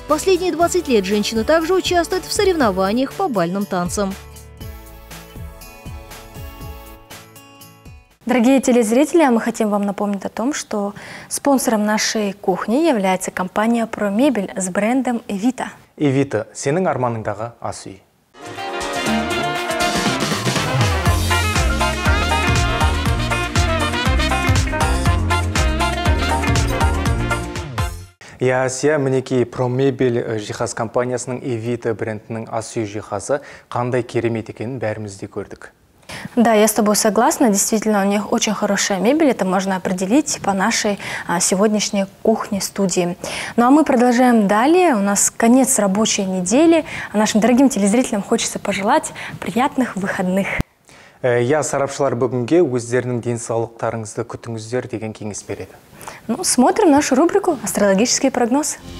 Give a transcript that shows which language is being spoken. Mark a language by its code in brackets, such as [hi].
[ru] Последние 20 лет женщина также участвует в соревнованиях по бальным танцам. Дорогие телезрители, мы хотим вам напомнить о том, что спонсором нашей кухни является компания «Промебель» с брендом «Эвита». [kk] «Эвита» – сенің арманыңдағы ас үй. Ясия, мінекей, «Промебель» жиһаз компаниясының «Эвита» брендінің ас үй жиһазы қандай керемет екенін бәріміз де көрдік. [ru] Да, я с тобой согласна. Действительно, у них очень хорошая мебель. Это можно определить по нашей сегодняшней кухне-студии. Ну а мы продолжаем далее. У нас конец рабочей недели. А нашим дорогим телезрителям хочется пожелать приятных выходных. [kk] Я, сарапшылар, бүгінге өздерінің денсаулықтарыңызды күтіңіздер деген кеңес береді. [ru] Ну, смотрим нашу рубрику «Астрологический прогноз».